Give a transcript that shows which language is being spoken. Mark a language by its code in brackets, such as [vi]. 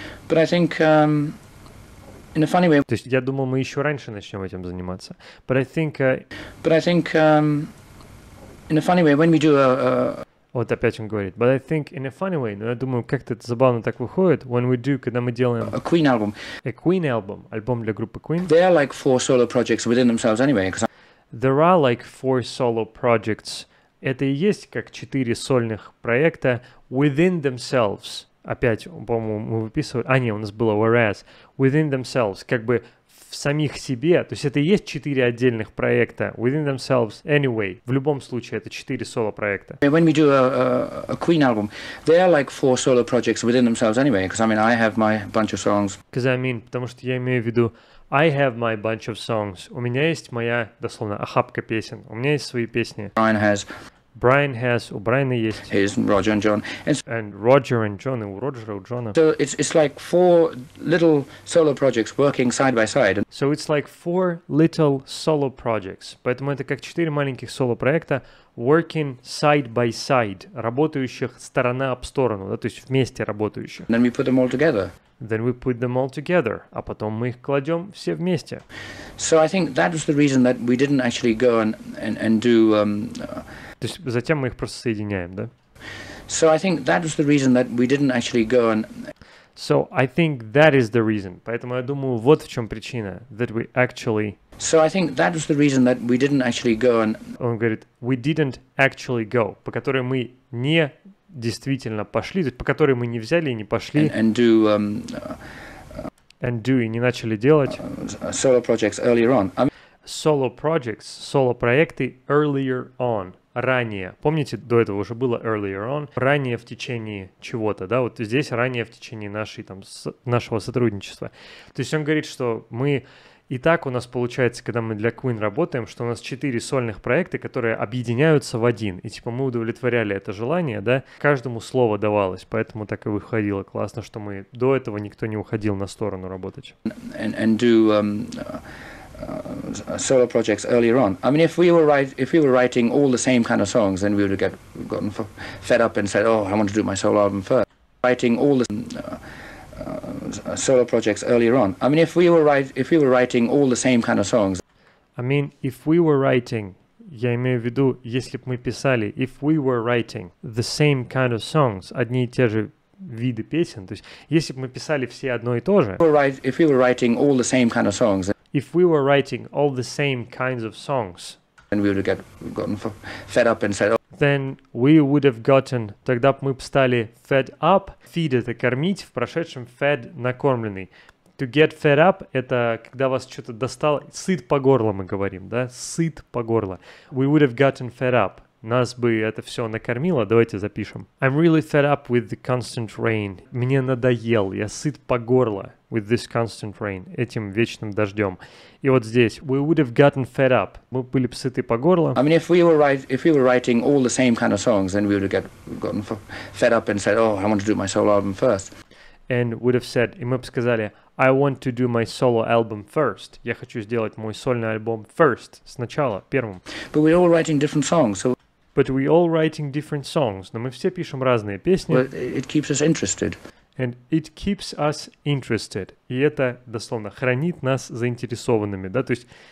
[en] But I think. In a funny way. [ru] То есть я думал, мы еще раньше начнем этим заниматься. [en] But I think. In a funny way, when we do a. [ru] Вот опять он говорит. [en] But I think in a funny way. [ru] Но я думаю, как-то это забавно так выходит. [en] When we do, [ru] когда мы делаем. [en] A Queen album. A Queen album. [ru] Альбом для группы Queen. [en] There are like four solo projects within themselves anyway. There are like four solo projects. [ru] Это и есть как четыре сольных проекта [en] within themselves. [ru] Опять, по-моему, мы выписывали... А, нет, у нас было whereas. [en] Within themselves, [ru] как бы в самих себе. То есть это и есть четыре отдельных проекта. [en] Within themselves, anyway. [ru] В любом случае, это четыре соло-проекта. [en] When we do a Queen album, there are like four solo projects within themselves anyway. Because, I mean, I have my bunch of songs. Because, I mean, [ru] потому что я имею в виду... [en] I have my bunch of songs. [ru] У меня есть моя, дословно, охапка песен. У меня есть свои песни. [en] Brian has... Brian has, [ru] у Брайана есть. [en] His Roger and John. And Roger and John, [ru] и у Роджера, у Джона. [en] So it's like four little solo projects working side by side. So it's like four little solo projects. [ru] Поэтому это как четыре маленьких соло-проекта, [en] working side by side, [ru] работающих сторона об сторону, да, то есть вместе работающих. [en] And then we put them all together. Then we put them all together, [ru] а потом мы их кладем все вместе. [en] So I think that was the reason that we didn't actually go and do... [ru] То есть затем мы их просто соединяем, да? [en] So I think that was the reason that we didn't actually go and... So I think that is the reason. [ru] Поэтому я думаю, вот в чем причина, [en] that we actually... So I think that was the reason that we didn't actually go and... [ru] Он говорит, [en] we didn't actually go, [ru] по которой мы не действительно пошли, то есть по которой мы не взяли и не пошли... [en] And do... And do, [ru] и не начали делать... [en] Solo projects earlier on. I mean... Solo projects, solo проекты earlier on. [ru] Ранее. Помните, до этого уже было [en] earlier on. [ru] Ранее в течение чего-то, да? Вот здесь ранее в течение нашей, там, нашего сотрудничества. То есть он говорит, что мы... И так у нас получается, когда мы для Queen работаем, что у нас четыре сольных проекта, которые объединяются в один. И типа мы удовлетворяли это желание, да? Каждому слово давалось, поэтому так и выходило. Классно, что мы... До этого никто не уходил на сторону работать. [en] And do... solo projects earlier on. I mean, if we were writing all the same kind of songs, then we would have gotten fed up and said, "Oh, I want to do my solo album first." Writing all the solo projects earlier on. I mean, if we were writing all the same kind of songs. I mean, if we were writing, [ru] я имею в виду, если бы мы писали, [en] if we were writing the same kind of songs, [ru] одни и те же виды песен. [en] То есть, если бы мы писали все одно и то же. If we were writing all the same kind of songs. If we were writing all the same kinds of songs, then we would have gotten fed up and said, oh. Then we would have gotten, [ru] тогда бы мы стали [en] fed up. [ru] Feed — это кормить, в прошедшем fed — накормленный. [en] To get fed up [ru] — это когда вас что-то достало, сыт по горло, мы говорим, да, сыт по горло. [en] We would have gotten fed up. [ru] Нас бы это все накормило, давайте запишем. [en] I'm really fed up with the constant rain. [ru] Мне надоел, я сыт по горло. [en] With this constant rain, [ru] этим вечным дождем. И вот здесь, [en] we would have gotten fed up. [ru] Мы были бы сыты по горло. [en] I mean, if we were writing all the same kind of songs, then we would have gotten fed up and said, oh, I want to do my solo album first. And would have said, [ru] и мы бы сказали, [en] I want to do my solo album first. [ru] Я хочу сделать мой сольный альбом first, сначала, первым. [en] But we're all writing different songs, so... But we're all writing different songs. Но мы все пишем разные песни. Well, it keeps us interested. And it keeps us interested. [ru] И это, дословно, хранит нас заинтересованными, да, то есть